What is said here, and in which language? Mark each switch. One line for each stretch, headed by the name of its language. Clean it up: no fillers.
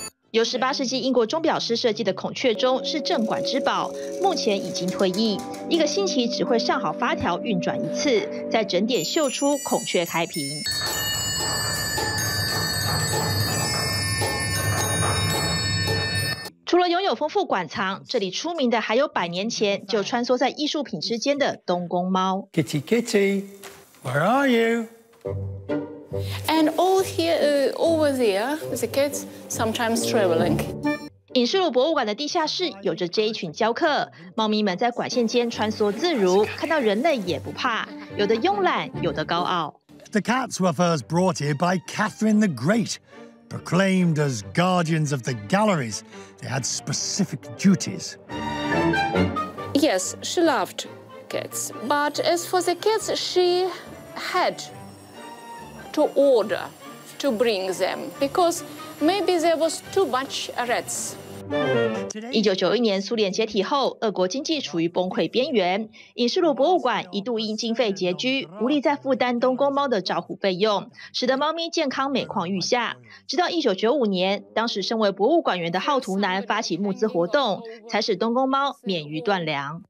Chinese: 由18世纪英国钟表师设计的孔雀钟是镇馆之宝，目前已经退役，一个星期只会上好发条运转一次，再整点秀出孔雀开屏。除了拥有丰富馆藏，这里出名的还有百年前就穿梭在艺术品之间的东宫猫。
English: Kitty, Kitty, where are you? And all here, over there, with the kids, sometimes traveling.
Chinese: 影视路博物馆的地下室有着这一群教客，猫咪们在管线间穿梭自如，看到人类也不怕，有的慵懒，有的高傲。
English: The cats were first brought here by Catherine the Great, proclaimed as guardians of the galleries. They had specific duties. Yes, she loved cats, but as for the kids, she had. To order to bring them because maybe there was too much rats.
Chinese: 1991年苏联解体后，俄国经济处于崩溃边缘，影视路博物馆一度因经费拮据，无力再负担东宫猫的照护费用，使得猫咪健康每况愈下。直到1995年，当时身为博物馆员的浩图南发起募资活动，才使东宫猫免于断粮。